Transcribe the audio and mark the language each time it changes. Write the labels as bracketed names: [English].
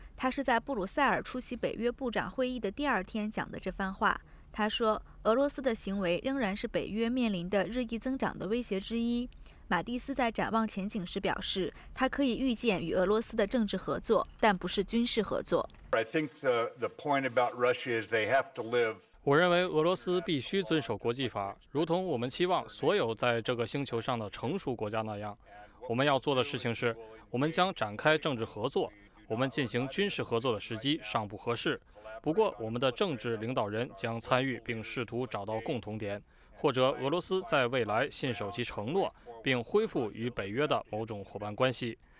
[Chinese] 他是在布鲁塞尔出席北约部长会议的第二天讲的这番话。他说，俄罗斯的行为仍然是北约面临的日益增长的威胁之一。马蒂斯在展望前景时表示，他可以预见与俄罗斯的政治合作，但不是军事合作。 [English] I think the point about Russia is they have to live. [Chinese] 我认为俄罗斯必须遵守国际法，如同我们期望所有在这个星球上的成熟国家那样。我们要做的事情是，我们将展开政治合作。我们进行军事合作的时机尚不合适，不过我们的政治领导人将参与并试图找到共同点，或者俄罗斯在未来信守其承诺并恢复与北约的某种伙伴关系。